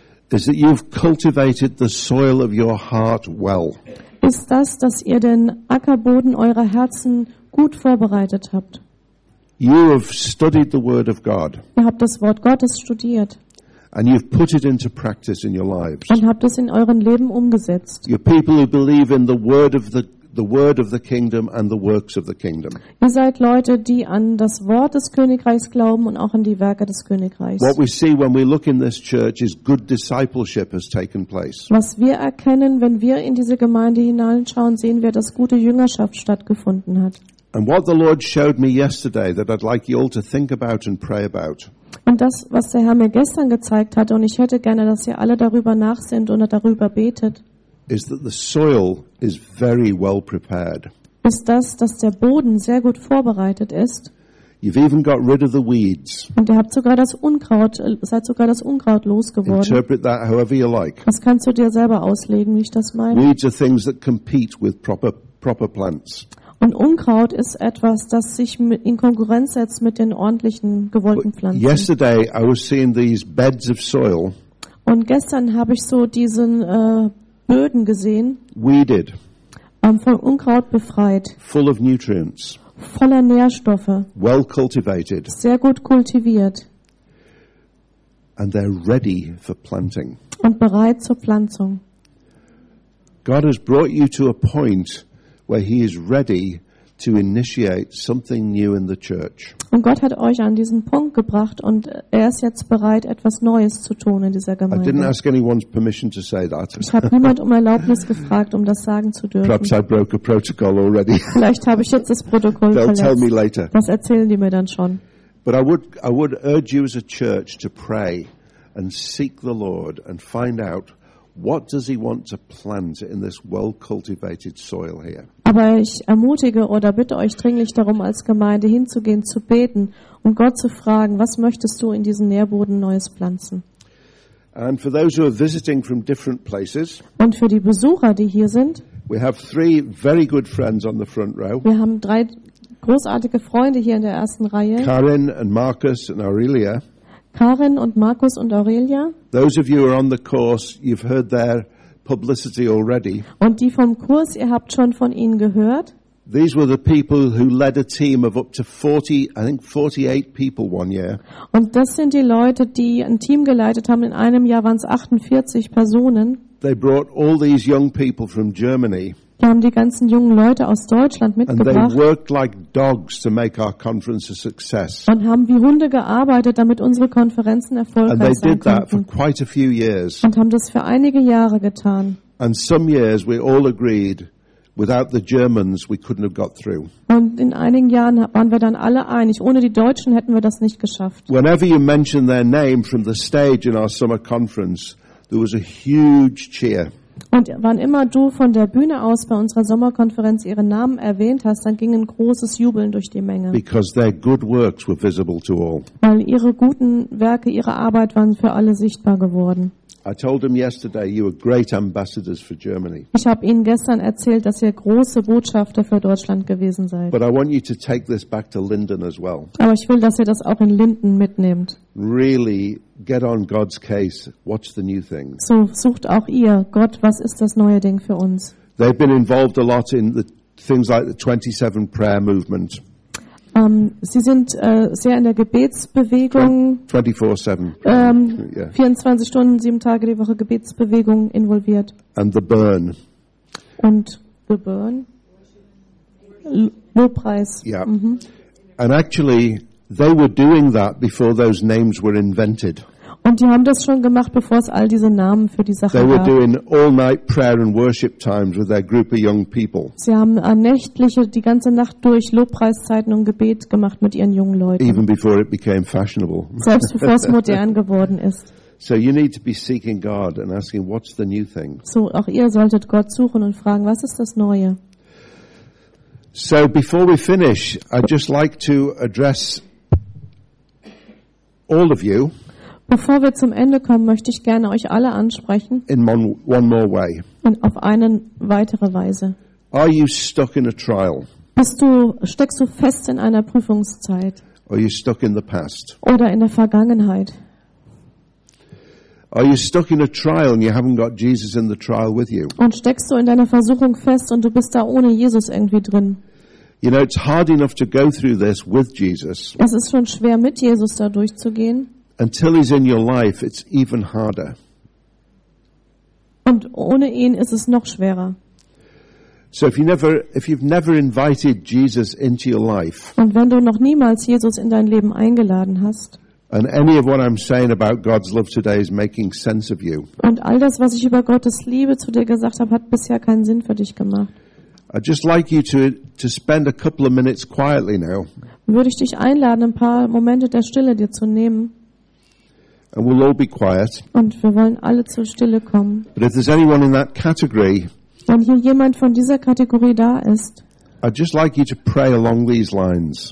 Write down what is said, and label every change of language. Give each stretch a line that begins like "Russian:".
English: is that you've cultivated the soil of your heart well.
German: Ist das, dass ihr den Ackerboden eurer Herzen gut vorbereitet habt.
English: You have studied the Word of God.
German: Ihr habt das Wort Gottes studiert.
English: And you've put it into practice in your lives.
German: Und habt es in euren Leben umgesetzt.
English: You're people who believe in the word of the kingdom and the works of the kingdom.
German: Ihr seid Leute, die an das Wort des Königreichs glauben und auch an die Werke des Königreichs.
English: What we see when we look in this church is good discipleship has taken place.
German: Was wir erkennen, wenn wir in diese Gemeinde hineinschauen, sehen wir, dass gute Jüngerschaft stattgefunden hat.
English: And what the Lord showed me yesterday that I'd like you all to think about and pray about.
German: Und das, was der Herr mir gestern gezeigt hat, und ich hätte gerne, dass ihr alle darüber nachsinnt oder darüber betet,
English: is that the soil is very well prepared.
German: Ist das, dass der Boden sehr gut vorbereitet ist.
English: You've even got rid of the weeds.
German: Und ihr habt sogar das Unkraut, seid sogar das Unkraut losgeworden.
English: Interpret that however you like.
German: Das kannst du dir selber auslegen, wie ich das meine.
English: Weeds are things that compete with proper plants.
German: Und Unkraut ist etwas, das sich in Konkurrenz setzt mit den ordentlichen gewollten Pflanzen.
English: Yesterday I was seeing these beds of soil.
German: Und gestern habe ich so diesen Böden gesehen.
English: Weeded.
German: Von Unkraut befreit.
English: Full of nutrients.
German: Voller Nährstoffe.
English: Well cultivated.
German: Sehr gut kultiviert.
English: And they're ready for planting.
German: Und bereit zur Pflanzung.
English: God has brought you to a point where he is ready to initiate something new in the church.
German: Und Gott hat euch an diesen Punkt gebracht und ist jetzt bereit, etwas Neues zu tun in dieser Gemeinde.
English: I didn't ask anyone's permission to say that.
German: Ich habe niemand um Erlaubnis gefragt, um das sagen zu dürfen.
English: Perhaps I broke a protocol already.
German: Vielleicht habe ich jetzt das Protokoll verletzt.
English: They'll tell me later.
German: Das erzählen die mir dann schon.
English: But I would urge you as a church to pray and seek the Lord and find out what does he want to plant in this well-cultivated soil here?
German: Aber ich ermutige oder bitte euch dringlich darum, als Gemeinde hinzugehen, zu beten und Gott zu fragen, was möchtest du in diesen Nährboden Neues pflanzen?
English: And for those who are visiting from different places,
German: und für die Besucher, die hier sind,
English: we have three very good friends on the front row.
German: Wir haben drei großartige Freunde hier in der ersten Reihe. Karin und Markus und Aurelia. Karin und Markus und Aurelia.
English: Those of you who are on the course, you've heard their publicity already.
German: Und die vom Kurs, ihr habt schon von ihnen gehört.
English: These were the people who led a team of up to 40, I think 48 people one year.
German: Und das sind die Leute, die ein Team geleitet haben. In einem Jahr waren es 48 Personen.
English: They brought all these young people from Germany.
German: Die haben die ganzen jungen Leute aus Deutschland mitgebracht.
English: And they worked like dogs to make our conference a success.
German: Und haben wie Hunde gearbeitet, damit unsere Konferenzen erfolgreich sein konnten.
English: And they did that for quite a few years.
German: Und haben das für einige Jahre getan.
English: And some years we all agreed, without the Germans we couldn't have got through.
German: Und in einigen Jahren waren wir dann alle einig, ohne die Deutschen hätten wir das nicht geschafft.
English: Whenever you mention their name from the stage in our summer conference, there was a huge cheer.
German: Und wann immer du von der Bühne aus bei unserer Sommerkonferenz ihren Namen erwähnt hast, dann ging ein großes Jubeln durch die Menge.
English: Because their good works were visible to all.
German: Weil ihre guten Werke, ihre Arbeit waren für alle sichtbar geworden.
English: I told them yesterday, you are great ambassadors for Germany.
German: Ich habe ihnen gestern erzählt, dass ihr große Botschafter für Deutschland gewesen seid.
English: But I want you to take this back to Linden as well.
German: Aber ich will, dass ihr das auch in Linden mitnehmt.
English: Really get on God's case. What's the new thing?
German: So sucht auch ihr Gott, was ist das neue Ding für uns?
English: They've been involved a lot in the things like the 27 prayer movement.
German: Sie sind sehr in der Gebetsbewegung,
English: 24/7.
German: 24 Stunden, 7 Tage die Woche Gebetsbewegung involviert.
English: And the burn.
German: Und the burn. Lobpreis. Yeah. Mm-hmm.
English: And actually, they were doing that before those names were invented.
German: Und die haben das schon gemacht, bevor es all diese Namen für die Sache
English: they
German: gab.
English: They were doing all-night prayer and worship times with their group of young people.
German: Sie haben nächtliche, die ganze Nacht durch Lobpreiszeiten und Gebet gemacht mit ihren jungen Leuten.
English: Even before it became fashionable.
German: Selbst bevor es modern geworden ist.
English: So you need to be seeking God and asking, what's the new thing?
German: So auch ihr solltet Gott suchen und fragen, was ist das Neue?
English: So before we finish, I'd just like to address all of you.
German: Bevor wir zum Ende kommen, möchte ich gerne euch alle ansprechen.
English: In one more way.
German: Und auf eine weitere Weise.
English: Are you stuck in a trial?
German: Steckst du fest in einer Prüfungszeit?
English: Are you stuck in the past?
German: Oder in der Vergangenheit?
English: Are you stuck in a trial and you haven't got Jesus in the trial with you?
German: Und steckst du in deiner Versuchung fest und du bist da ohne Jesus irgendwie drin?
English: You know, it's hard enough to go through this with Jesus.
German: Es ist schon schwer, mit Jesus da durchzugehen.
English: Until he's in your life, it's even harder.
German: Und ohne ihn ist es noch schwerer.
English: So if you've never invited Jesus into your life.
German: Und wenn du noch niemals Jesus in dein Leben eingeladen hast.
English: And any of what I'm saying about God's love today is making sense of you.
German: Und all das, was ich über Gottes Liebe zu dir gesagt habe, hat bisher keinen Sinn für dich gemacht.
English: I'd just like you to spend a couple of minutes quietly now.
German: Würde ich dich einladen, ein paar Momente der Stille dir zu nehmen.
English: And we'll all be quiet.
German: Und wir wollen alle zur Stille kommen.
English: But if there's anyone in that category,
German: wenn hier jemand von dieser Kategorie da ist,
English: I'd just like you to pray along these lines.